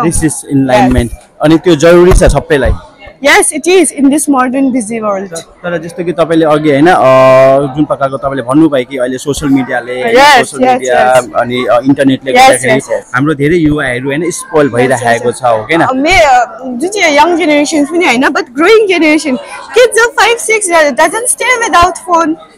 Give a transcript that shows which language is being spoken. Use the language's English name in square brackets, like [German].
[English] this is [Nepali] enlightenment अनि त्यो जरुरी छ सबैलाई [English] Yes, it is in this modern busy world. [Nepali] तर जस्तो कि तपाईले अघि हैन जुन प्रकारको तपाईले भन्नुभयो कि अहिले सोशल मिडियाले सोशल मिडिया अनि इन्टरनेटले गर्दाखेरि हाम्रो धेरै युवाहरू हैन स्पोइल भइराखेको छ हो कैन जुन चाहिँ यंग जेनेरेसन पनि हैन [English] but growing generation kids of 5 6 doesn't stay without phone